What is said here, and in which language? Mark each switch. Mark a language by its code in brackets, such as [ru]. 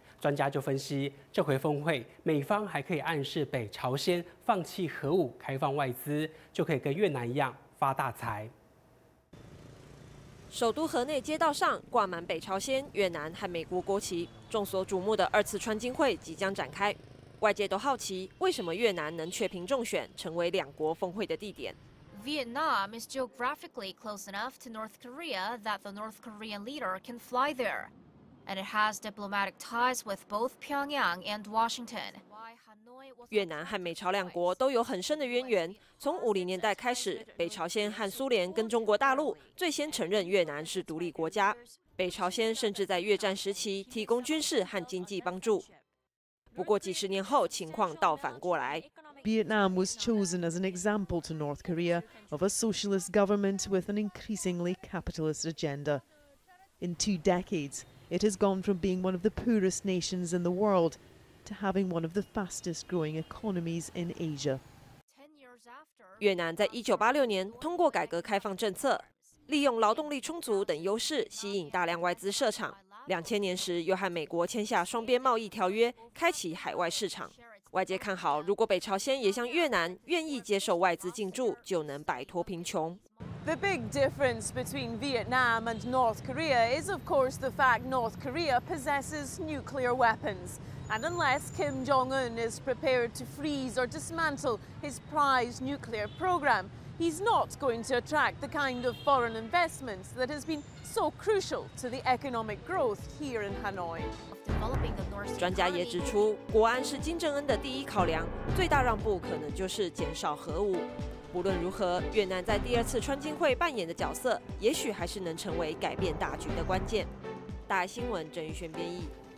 [zh] 专家就分析，这回峰会美方还可以暗示北朝鲜放弃核武，开放外资，就可以跟越南一样发大财。首都河内街道上挂满北朝鲜、越南和美国国旗，众所瞩目的二次川金会即将展开，外界都好奇为什么越南能确评中选成为两国峰会的地点。 [en] Vietnam is geographically close enough to North Korea that the North Korean leader can fly there. And it has diplomatic ties with both Pyongyang and Washington. [zh] 越南和美朝两国都有很深的渊源。从50年代开始，北朝鲜和苏联跟中国大陆最先承认越南是独立国家。北朝鲜甚至在越战时期提供军事和经济帮助。不过几十年后，情况倒反过来。 [en] Vietnam was chosen as an example to North Korea of a socialist government with an increasingly capitalist agenda. In 2 decades. It has gone from being one of the poorest nations in the world to having one of the fastest growing economies in Asia. [zh] 越南在1986年通过改革开放政策，利用劳动力充足等优势吸引大量外资设厂。 2000年时又和美国签下双边贸易条约，开启海外市场。外界看好，如果北朝鲜也像越南愿意接受外资进驻，就能摆脱贫穷。 [en] The big difference between Vietnam and North Korea is, of course, the fact North Korea possesses nuclear weapons. And unless Kim Jong-un is prepared to freeze or dismantle his prized nuclear program, he's not going to attract the kind of foreign investments that has been so crucial to the economic growth here in Hanoi. [zh] 专家也指出，国安是金正恩的第一考量，最大让步可能就是减少核武。不论如何，越南在第二次川金会扮演的角色，也许还是能成为改变大局的关键。大爱新闻郑玉轩编译。